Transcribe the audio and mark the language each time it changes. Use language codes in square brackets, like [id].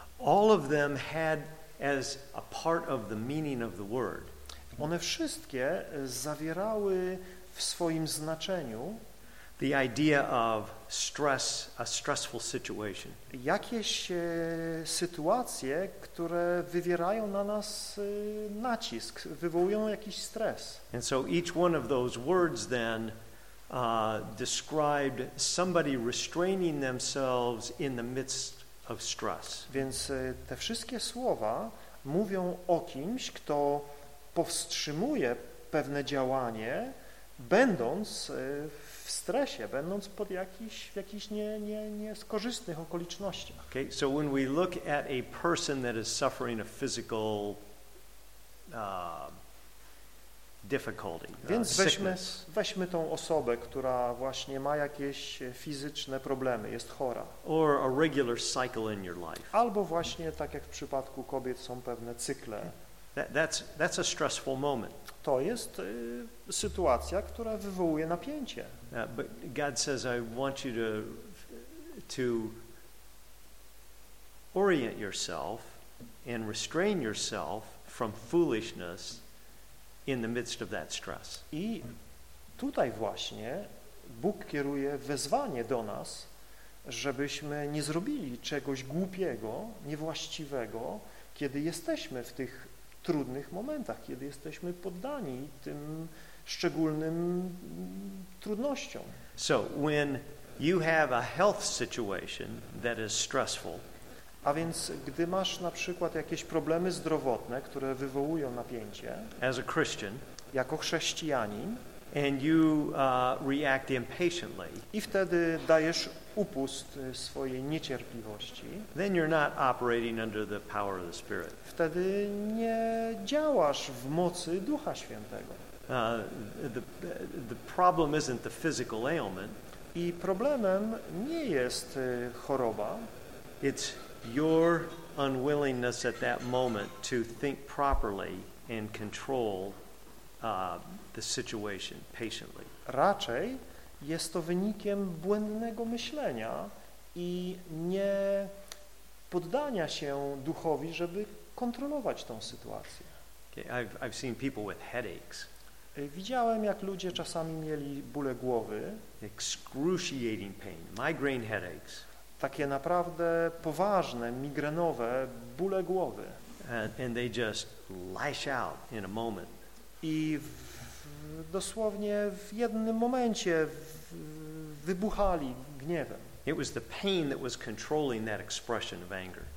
[en] all of them had as a part of the meaning of the word, [pl] one wszystkie zawierały w swoim znaczeniu [en] the idea of stress, a stressful situation, [pl] jakieś sytuacje, które wywierają na nas nacisk, wywołują jakiś stres. [en] And so each one of those words then described somebody restraining themselves in the midst of stress. [pl] Więc te wszystkie słowa mówią o kimś, kto powstrzymuje pewne działanie, będąc w stresie, będąc pod jakichś nieskorzystnych okolicznościach. [en] Okay, so when we look at a person that is suffering a physical difficulty, [pl] więc weźmy tą osobę, która właśnie ma jakieś fizyczne problemy, jest chora. [en] Or a regular cycle in your life. [pl] Albo właśnie tak jak w przypadku kobiet są pewne cykle. [en] That's a stressful moment. [pl] To jest sytuacja, która wywołuje napięcie. [en] But God says I want you to orient yourself and restrain yourself from foolishness in the midst of that stress. [pl] I tutaj właśnie Bóg kieruje wezwanie do nas, żebyśmy nie zrobili czegoś głupiego, niewłaściwego, kiedy jesteśmy w tych trudnych momentach, kiedy jesteśmy poddani tym szczególnym trudnościom. [en] So when you have a health situation that is stressful, [pl] a więc gdy masz na przykład jakieś problemy zdrowotne, które wywołują napięcie, [en] as a Christian, [pl] jako chrześcijanin, [en] and you react impatiently, [pl] i wtedy dajesz upust swojej niecierpliwości, [en] then you're not operating under the power of the Spirit. [pl] Wtedy nie działasz w mocy Ducha Świętego. [en] The problem isn't the physical ailment. [pl] I problemem nie jest choroba. [en] It's your unwillingness at that moment to think properly and control the situation patiently. [pl] Raczej jest to wynikiem błędnego myślenia i nie poddania się Duchowi, żeby kontrolować tą sytuację. [en] Okay, I've seen people with headaches. [pl] Widziałem, jak ludzie czasami mieli bóle głowy. [en] Excruciating pain, migraine headaches. [pl] Takie naprawdę poważne, migrenowe bóle głowy. [en] And they just lash out in a moment. [pl] I dosłownie w jednym momencie wybuchali gniewem. [en] It was the pain that was controlling that expression of anger.